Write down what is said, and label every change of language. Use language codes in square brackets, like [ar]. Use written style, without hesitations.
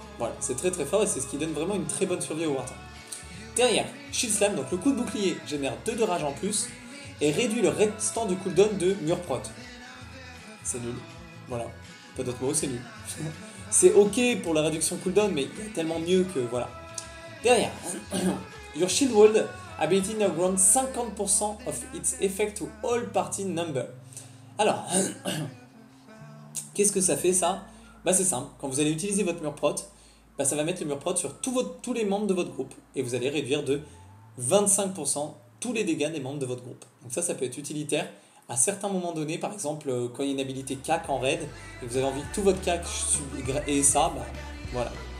[fr] Voilà, c'est très très fort et c'est ce qui donne vraiment une très bonne survie au Warthog. Derrière, Shield Slam, donc le coup de bouclier génère 2 de rage en plus et réduit le restant du cooldown de Murprot. C'est nul. Voilà. Pas d'autres mots, c'est nul. C'est ok pour la réduction cooldown, mais il y a tellement mieux que... Voilà. Derrière, [en] Your Shield Wall Ability now grants 50% of its effect to all party number. [fr] Alors, qu'est-ce que ça fait, ça? Bah, c'est simple. Quand vous allez utiliser votre Murprot, bah, ça va mettre le Murprot sur tous les membres de votre groupe et vous allez réduire de 25% tous les dégâts des membres de votre groupe. Donc ça, ça peut être utilitaire. À certains moments donnés, par exemple, quand il y a une habilité CAC en raid, et vous avez envie que tout votre CAC et ça, bah, voilà.